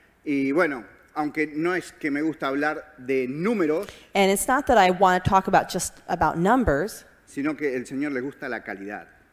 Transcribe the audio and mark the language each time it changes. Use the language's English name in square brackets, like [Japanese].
[Spanish] Y bueno, aunque no es que me gusta hablar de números, [English] and it's not that I want to talk about just about numbers, [Spanish] sino que el Señor le gusta la calidad.